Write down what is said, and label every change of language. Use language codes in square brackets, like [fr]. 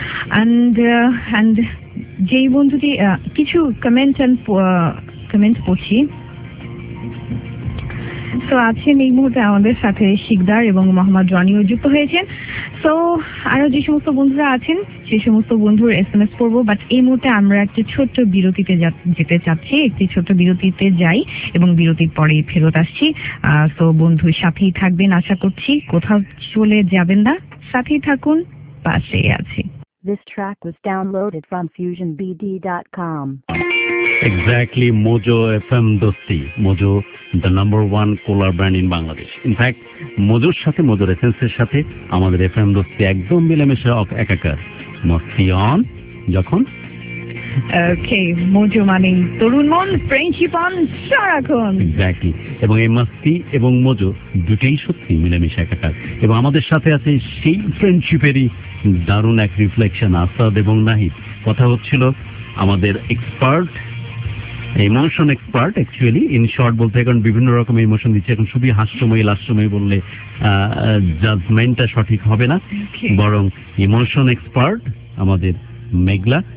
[bn] And যেই বন্ধুটি কিছু কমেন্ট পড়ছি, তো আছেন এই মুহূর্তে আমাদের সাথে শিকদার এবং মোহাম্মদ রনিও যুক্ত হয়েছেন, তো আরো যে সমস্ত বন্ধুরা আছেন সে সমস্ত বন্ধুর এস এম এস করবো, বাট এই মুহূর্তে আমরা একটা ছোট্ট বিরতিতে যেতে চাচ্ছি, একটি ছোট্ট বিরতিতে যাই এবং বিরতির পরে ফেরত আসছি, তো বন্ধু সাথেই থাকবেন আশা করছি, কোথাও চলে যাবেন না, সাথেই থাকুন, পাশেই আছি। [en] This track was downloaded from fusionbd.com. Exactly, Mojo FM Dosti. Mojo, the number one cooler brand in Bangladesh. In fact, Mojo's সাথে Mojo's essence's সাথে [bn] আমাদের FM Dosti একদম মিলেমিশে একাকার। Mosti on, যখন? Okay, Mojo মানে তরুণ মন, [en] friendship on, [bn] সারাখন। [en] Exactly. [bn] এবং এই Mosti এবং Mojo দুটেই সত্যি মিলেমিশে একাকার। এবং আমাদের সাথে আছে সেই friendshipেরই দারুণ এক রিফ্লেকশন আসাদ এবং নাহিদ। কথা হচ্ছিল আমাদের expert, emotion expert, actually in short বলতে এখন বিভিন্ন রকমের ইমোশন দিচ্ছে, এখন খুবই হাস্যময়ী লাস্যময়ী বললে জাজমেন্টটা সঠিক হবে না, বরং ইমোশন এক্সপার্ট আমাদের মেঘলা।